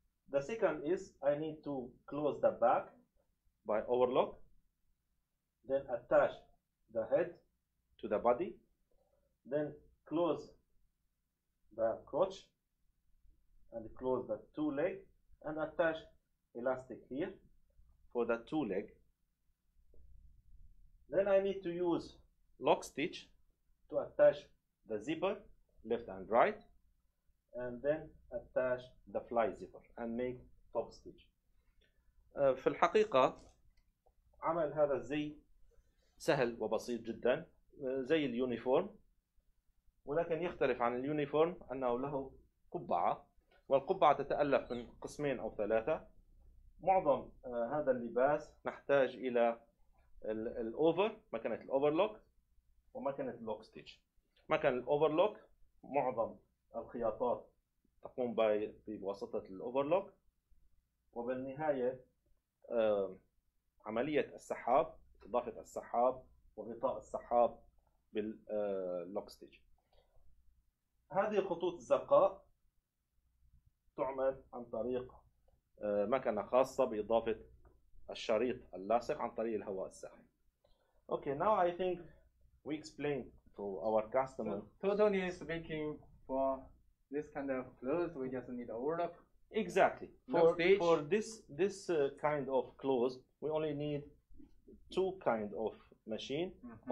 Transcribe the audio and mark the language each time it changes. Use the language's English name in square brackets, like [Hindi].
[English] The second is I need to close the back by overlock, then attach the head to the body, then close the crotch and close the two leg and attach elastic here for the two leg. Then I need to use lock stitch to attach the zipper left and right, and then attach the fly zipper and make top stitch. [Arabic] في الحقيقة عمل هذا الزي سهل وبسيط جدا زي اليونيفورم, ولكن يختلف عن اليونيفورم أنه له قبعة, والقبعة تتألف من قسمين أو ثلاثة. معظم هذا اللباس نحتاج إلى الأوفر, مكنة الأوفرلوك ومكنة اللوك ستيتش. مكنة الأوفرلوك معظم الخياطات تقوم بواسطة الأوفرلوك, وبالنهاية عملية السحاب, إضافة السحاب وغطاء السحاب باللوك ستيتش. هذه خطوط الزرقاء تعمل عن طريق مكنة خاصة بإضافة الشريط اللاصق عن طريق الهواء الساخن. [English] Okay, now I think we explain to our customer. So, totally speaking, for this kind of clothes, we just need overlock Exactly. For this kind of close, we only need two kind of machine, mm-hmm.